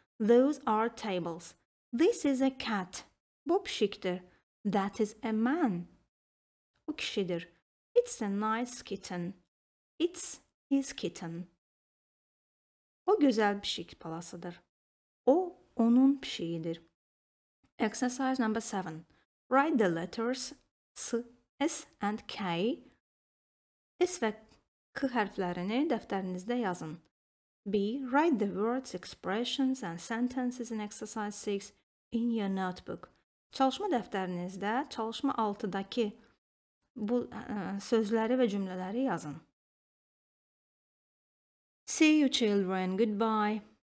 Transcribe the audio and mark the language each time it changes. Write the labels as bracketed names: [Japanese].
[English] Those are tables. This is a cat. Bu pişikdir. That is a man. O kişidir. It's a nice kitten. It's his kitten. [Azerbaijani] O gözəl pişik balasıdır. O onun pişiyidir. Exercise number 7. [English] Write the letters S, S and K. [Azerbaijani] S və K hərflərini dəftərinizdə yazın. B. [English] Write the words, expressions and sentences in exercise 6 in your notebook. [Azerbaijani] Çalışma dəftərinizdə çalışma 6-dakı bu sözləri və cümlələri yazın. See you, children. Goodbye.